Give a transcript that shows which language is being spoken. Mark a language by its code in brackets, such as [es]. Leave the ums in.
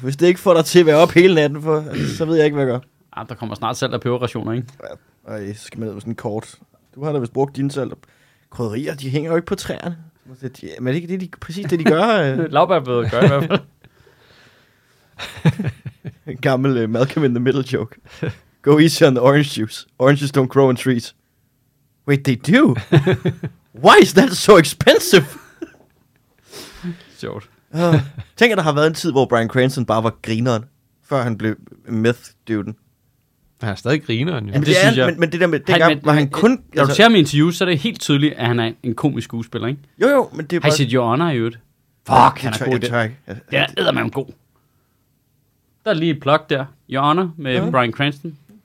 [da] Hvis det ikke får dig til at være op hele natten, for, så ved jeg ikke, hvad jeg gør. Ja, der kommer snart salt og peberrationer, ikke? Ja, Ej, så skal man ned med sådan en kort. Du har da vist brugt dine salt og af... krydderier, de hænger jo ikke på træerne. Men det er ikke de, det, de, præcis det, de gør? Øh... Lavbærbødet gøre i hvert fald. en gammel uh, Malcolm in the Middle joke. [en] Go easy on the orange juice. Oranges don't grow in trees. Wait, they do? Why is that so expensive? [da] Sjovt. uh, tænk, at der har været en tid, hvor Brian Cranston bare var grineren, før han blev meth-duden. Han er stadig grineren, jo. Ja, men det, det er, synes jeg. Men, men det der med, det gang, men, var men, han, han kun... Når øh, altså, du ser min interviews, så er det helt tydeligt, at han er en komisk skuespiller, ikke? Jo, jo, men det er bare... Har I set Your Honor i øvrigt? Fuck, han er god i det. Det er eddermame god. Der er lige et plug der. Your Honor med ja. Yeah. Brian Cranston.